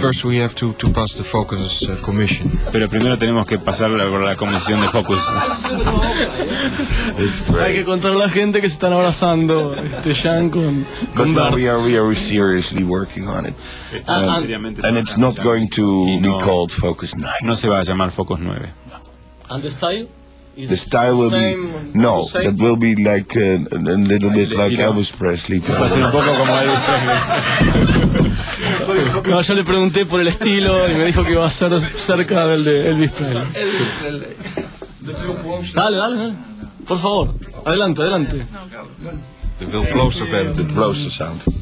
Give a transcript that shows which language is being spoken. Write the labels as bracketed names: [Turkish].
[English] But first we have to pass the Focus commission. [Spanish] Pero primero tenemos que pasar por la comisión de Focus. Hay que contar a la gente que se están abrazando Jean con Bert. [English] But now we are seriously working on it. And it's not going to be called Focus 9. [Spanish] No se va a llamar Focus 9. [English] And the style? The style will be, no, that will be like a little bit like Elvis Presley. [Spanish] Va a ser un poco como Elvis Presley. No, yo le pregunté por el estilo y me dijo que iba a ser cerca del de Elvis Presley. Dale, dale, por favor, adelante. [English] The Bill Closer Band, the Closer Sound.